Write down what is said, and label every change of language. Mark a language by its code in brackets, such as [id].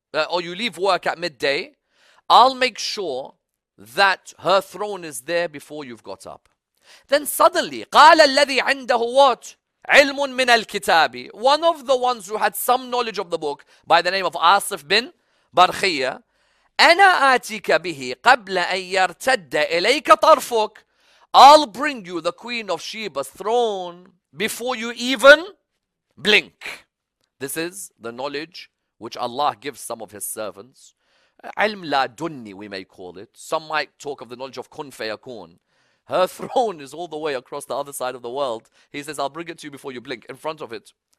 [en] Or you leave work at midday, I'll make sure that her throne is there before you've got up. Then suddenly, [ar] قال الذي عنده [en] what? [ar] علم من الكتاب. [en] One of the ones who had some knowledge of the book by the name of Asif bin Barkhiya. [ar] أنا آتيك به قبل أن يرتد إليك طرفك. [en] I'll bring you the Queen of Sheba's throne before you even blink. This is the knowledge which Allah gives some of His servants. Ilm la dunni, we may call it. Some might talk of the knowledge of kun fayakun. Her throne is all the way across the other side of the world. He says, I'll bring it to you before you blink, in front of it.